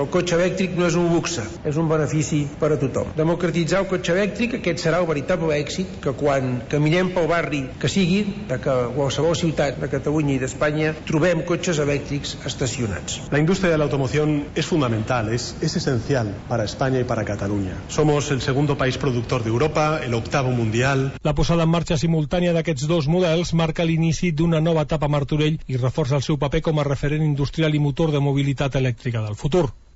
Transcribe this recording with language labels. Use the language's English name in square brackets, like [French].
[Catalan] El cotxe elèctric no és un luxe, és un benefici per a tothom. Democratitzar el cotxe elèctric, aquest serà el veritable èxit, que quan caminem pel barri que sigui, de qualsevol ciutat de Catalunya i d'Espanya, trobem cotxes elèctrics estacionats. La indústria de l'automoció és fundamental, és essencial per a Espanya i per a Catalunya. [Spanish] Somos el segundo país productor d'Europa, el octavo mundial. [Catalan] La posada en marxa simultània d'aquests dos models marca l'inici d'una nova etapa a Martorell i reforça el seu paper com a referent industrial i motor de mobilitat elèctrica del futur.